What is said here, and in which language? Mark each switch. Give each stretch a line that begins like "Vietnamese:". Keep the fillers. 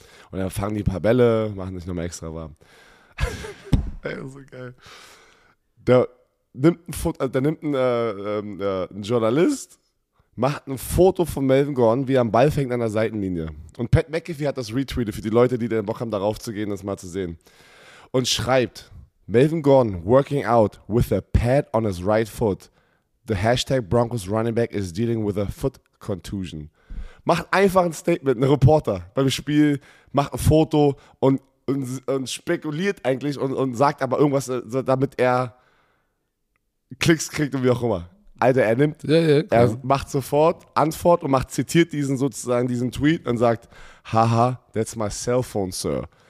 German: Und dann fangen die ein paar Bälle, machen dich nochmal extra warm. Ey, das ist so geil. Da nimmt ein, Fot äh, da nimmt ein, äh, ähm, äh, ein Journalist macht ein Foto von Melvin Gordon, wie er am Ball fängt an der Seitenlinie. Und Pat McAfee hat das retweetet für die Leute, die den Bock haben, darauf zu gehen, das mal zu sehen. Und schreibt,
English: Melvin Gordon working out with a pad on his right foot. The hashtag Broncos running back is dealing with a foot contusion.
German: Macht einfach ein Statement, ein Reporter beim Spiel, macht ein Foto und, und, und spekuliert eigentlich und, und sagt aber irgendwas, äh, so, damit er Klicks kriegt und wie auch immer. Alter, er nimmt Ja, ja, er klar. macht sofort Antwort und macht, zitiert diesen sozusagen diesen Tweet und sagt,
English: haha, that's my cell phone, sir.